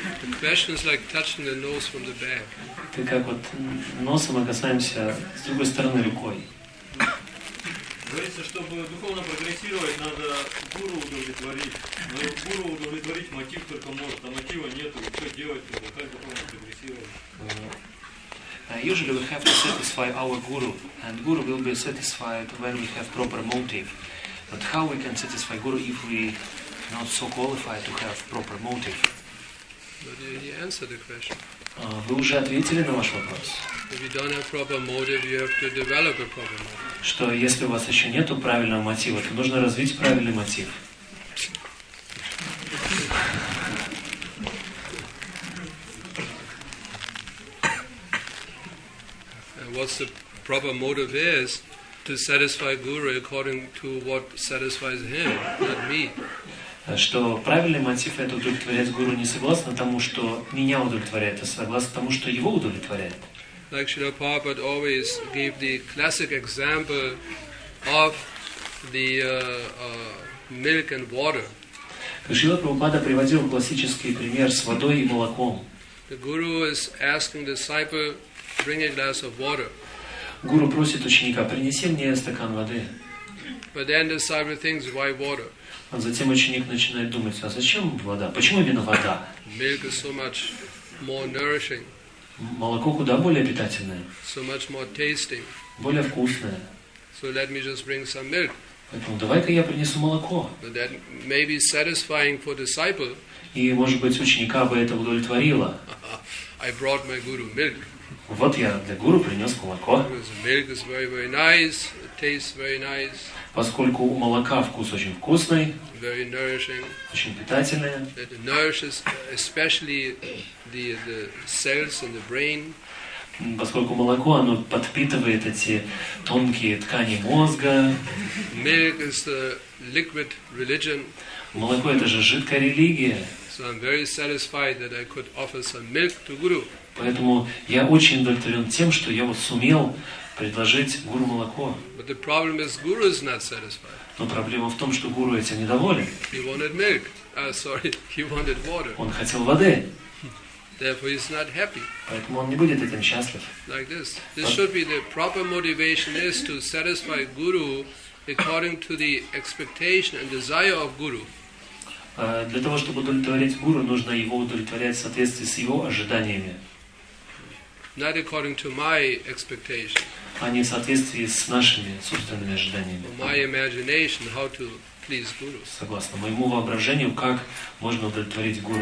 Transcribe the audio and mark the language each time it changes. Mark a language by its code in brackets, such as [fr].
[en] The question is like touching the nose from the bag. [ru] Ты как вот носом касаемся с другой стороны рукой. Говорится, чтобы духовно прогрессировать, надо гуру удовлетворить. Но гуру удовлетворить мотив только может, а мотива нету. Что делать? Как духовно прогрессировать? [en] Usually we have to satisfy our guru, and guru will be satisfied when we have proper motive. But how we can satisfy guru if we not so qualified to have proper motive? But you answered the question. [ru] Вы уже ответили на ваш вопрос. [en] If you don't have proper motive, you have to develop a proper motive. [ru] Что если у вас еще нету правильного мотива, то нужно развить правильный мотив. [en] What the proper motive is to satisfy guru according to what satisfies him, not me. [ru] Что правильный мотив это удовлетворять гуру не согласно тому, что меня удовлетворяет, а согласно тому, что его удовлетворяет. [en] Like Srila Prabhupada always gave the classic example of the milk and water. [ru] Srila Prabhupada приводил классический пример с водой и молоком. [en] The guru is asking the disciple, bring a glass of water. [ru] Гуру просит ученика, принеси мне стакан воды. [en] But then the disciple thinks, why water? [ru] А затем ученик начинает думать, а зачем вода? Почему именно вода? [en] Milk is so much more nourishing. [ru] Молоко куда более питательное. [en] So much more tasting. [ru] Более вкусное. [en] So let me just bring some milk. [ru] Поэтому давай-ка я принесу молоко. [en] But that may be satisfying for disciple. [ru] И может быть ученика бы это удовлетворило. [en] I brought my guru milk. [ru] Вот я для гуру принес молоко. [en] Because milk is very, very nice. It tastes very nice. [ru] Поскольку у молока вкус очень вкусный. [en] Very nourishing. [ru] Очень питательное. [en] It nourishes especially the cells in the brain. [ru] Поскольку молоко оно подпитывает эти тонкие ткани мозга. [en] Milk is the liquid religion. [ru] Молоко это же жидкая религия. [en] So I'm very satisfied that I could offer some milk to Guru. [ru] Поэтому я очень удовлетворен тем, что я вот сумел предложить гуру молоко. [en] But the problem is Guru is not satisfied. [ru] Но проблема в том, что гуру этим недоволен. [en] He wanted milk. He wanted water. [ru] Он хотел воды. [en] Therefore, he's not happy. [ru] Поэтому он не будет этим счастлив. [en] Like this. This should be the proper motivation is to satisfy Guru according to the expectation and desire of Guru. [ru] Для того, чтобы удовлетворить гуру, нужно его удовлетворять в соответствии с его ожиданиями. [en] Not according to my expectation. [ru] А не в соответствии с нашими собственными ожиданиями. [en] My imagination, how to please guru. [ru] Согласно моему воображению, как можно удовлетворить гуру.